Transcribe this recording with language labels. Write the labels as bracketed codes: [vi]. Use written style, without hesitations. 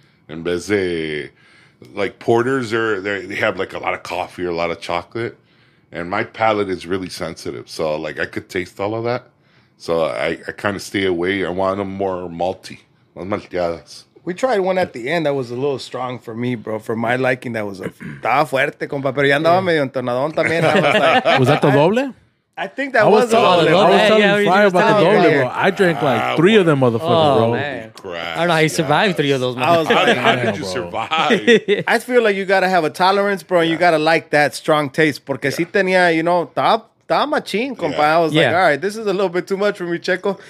[en] And beze, like porters, they have like a lot of coffee or a lot of chocolate. And my palate is really sensitive, so like I could taste all of that. So I kind of stay away. I want them more malty. [es] Más malteadas. [en] We tried one at the end that was a little strong for me, bro. For my liking, that was a... [es] Estaba fuerte, compa, pero ya andaba medio entonadón también. [en] Was that the doble? I think that was the doble. I was telling Fry about the doble, bro. I drank like three of them motherfuckers, bro. Man. I don't know how you survived three of those motherfuckers. How did you survive? I feel like you got to have a tolerance, bro, and you got to like that strong taste. [es] Porque si tenía, you know, top. Estaba machín, compa. [en] Yeah. I was like, all right, this is a little bit too much for me, Checo.